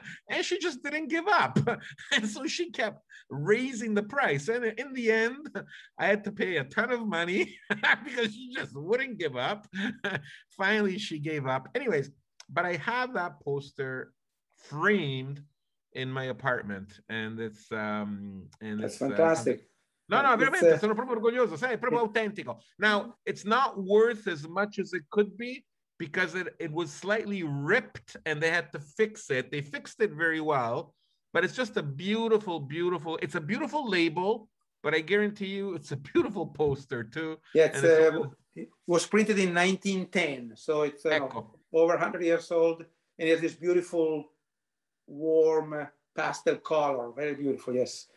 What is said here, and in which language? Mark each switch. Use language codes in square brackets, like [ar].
[en] And she just didn't give up. And so she kept raising the price. And in the end, I had to pay a ton of money because she just wouldn't give up. Finally, she gave up. Anyways, but I have that poster framed in my apartment. And it's... fantastic. [it] No, veramente, sono proprio orgoglioso, sai, è proprio autentico. [en] Now, it's not worth as much as it could be because it was slightly ripped and they had to fix it. They fixed it very well, but it's just a beautiful, beautiful, it's a beautiful label, but I guarantee you it's a beautiful poster too. Yeah, it was printed in 1910, so it's over 100 years old and it has this beautiful, warm, pastel color, very beautiful, yes.